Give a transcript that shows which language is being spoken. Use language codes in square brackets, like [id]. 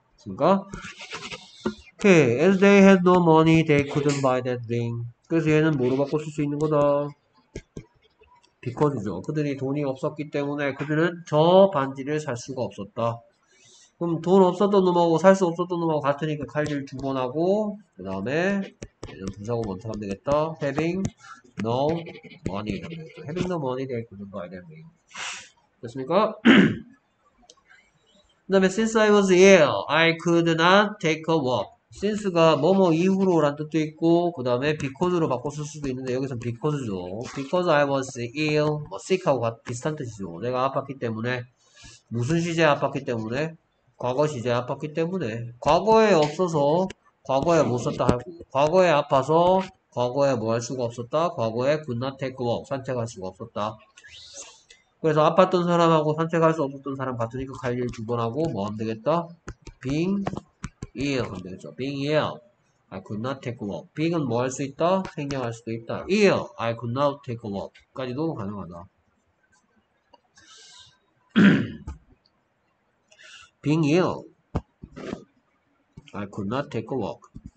[ko] 그러니까 [en] Okay, as they had no money, they couldn't buy that ring. [ko] 그래서 얘는 뭐로 바꿀 수 있는 거다? [en] Because죠. [ko] 그들이 돈이 없었기 때문에 그들은 저 반지를 살 수가 없었다. 그럼 돈 없었던 놈하고 살수 없었던 놈하고 같으니까 칼질 두번 하고, 그 다음에 얘는 분사구 먼저 하면 되겠다. [en] Having no money. Having no money, they couldn't buy that ring. [ko] 됐습니까? 그 다음에 [en] since I was ill, I could not take a walk. [ko] since가 뭐뭐 이후로란 뜻도 있고 그 다음에 because로 바꿔 쓸 수도 있는데 여기선 because죠. [en] because I was ill [ko] 뭐 sick하고 비슷한 뜻이죠. 내가 아팠기 때문에 무슨 시제에 앞봤기 때문에? 과거 시제에 앞봤기 때문에. 과거에 없어서 과거에 못 썼다 하고, 과거에 아파서 과거에 뭐할 수가 없었다. 과거에 [en] could not take a walk, [ko] 산책할 수가 없었다. 그래서 아팠던 사람하고 산책할 수 없었던 사람 같으니까 관리를 두번 하고 뭐 하면 되겠다? [en] Being ill [ko] 하면 되겠죠. [en] Being ill, I could not take a walk. [ko] Being은 뭐할수 있다? 횡령할 수도 있다. [en] Ill, I could not take a walk [ko] 까지도 가능하다. [en] Being ill, I could not take a walk.